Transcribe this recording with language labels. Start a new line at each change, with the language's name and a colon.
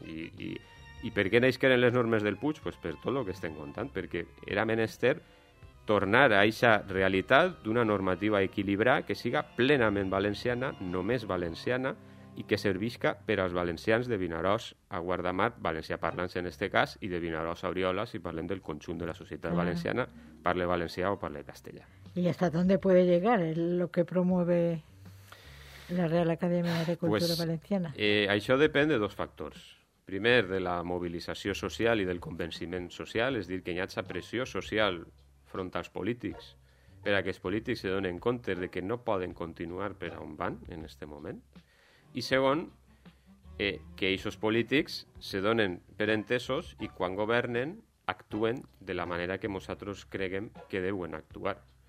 Catalan: I per què neix que eren les normes del Puig? Pues per tot el que estem contant, perquè era menester tornar a aquesta realitat d'una normativa equilibrada que siga plenament valenciana, només valenciana, i que servisca per als valencians de Vinaròs a Guardamar, valencià parlants en este cas, i de Vinaròs a Oriola, si parlem del conjunt de la societat valenciana, parle valencià o parle castellà.
Spanish: I hasta dónde puede llegar lo que promueve la Real Academia de Cultura pues, Valenciana?
Catalan: Això depèn de dos factors. Primer, de la mobilització social i del convenciment social, és a dir, que hi ha pressió social front als polítics per a que els polítics se donen compte de que no poden continuar per on van en este moment. I segon, que aquests polítics se donen per entesos i quan governen actuen de la manera que nosaltres creguem que deuen actuar.